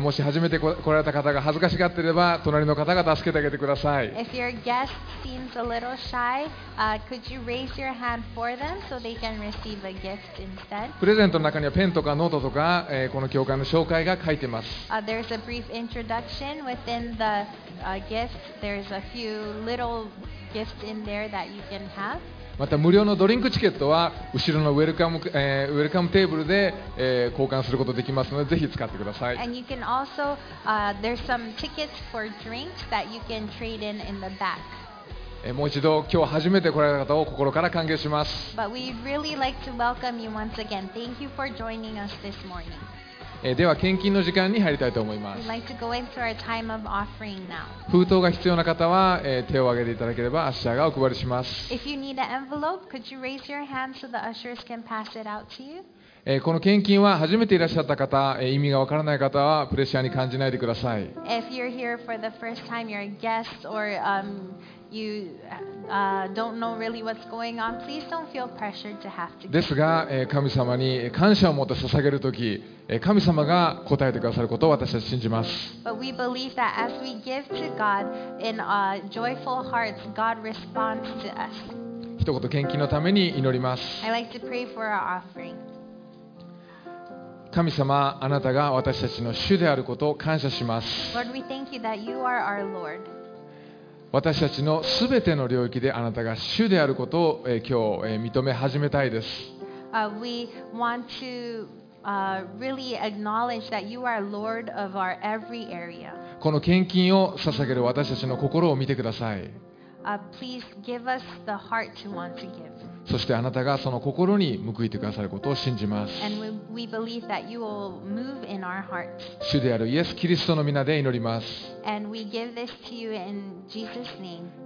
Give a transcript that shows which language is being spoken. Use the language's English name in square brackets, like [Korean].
[Japanese] もし初めて来られた方が恥ずかしがっていれば、隣の方が助けてあげてください。 [English] If your guest seems a little shy, could you raise your hand for them so they can receive a gift instead? [Japanese] プレゼントの中にはペンとかノートとか、この教会の紹介が書いてます。 [English] There's a brief introduction within the gift. There's a few little gifts in there that you can have. [Japanese] また無料のドリンクチケットは後ろのウェルカムテーブルで、交換することができますのでぜひ使ってください。 [English] And you can also, there's some tickets for drinks that you can trade in the back. [Japanese] もう一度今日初めて来られた方を心から歓迎します。 [English] But we'd really like to welcome you once again. Thank you for joining us this morning. [Japanese] では献金の時間に入りたいと思います。 [English] We'd like to go into our time of offering now. [Japanese] 封筒が必要な方は、手を挙げていただければアッシャーがお配りします。 [English] If you need an envelope, could you raise your hand so the ushers can pass it out to you? [Japanese] この献金は初めていらっしゃった方、意味がわからない方はプレッシャーに感じないでください。 [English] If you're here for the first time, you're a guest or you don't know really what's going on, please don't feel pressured to have to give. [Japanese] ですが、神様に感謝を持って捧げるとき、神様が答えてくださることを私たち信じます。 [English] But we believe that as we give to God in joyful hearts, God responds to us. [Japanese] 一言献金のために祈ります。 [English] I like to pray for our offering. [Japanese] 神様、あなたが私たちの主であることを感謝します。 [English] Lord, we thank you that you are our Lord. [Japanese] 私たちのすべての領域であなたが主であることを、今日、認め始めたいです。 [English] We want to, really acknowledge that you are Lord of our every area. [Japanese] この献金を捧げる私たちの心を見てください。 [English] Please give us the heart to want to give. [Japanese] そしてあなたがその心に報いてくださることを信じます。 [English] And we believe that you will move in our hearts. [Japanese] 主であるイエス・キリストの御名で祈ります。 [English] And we give this to you in Jesus' name.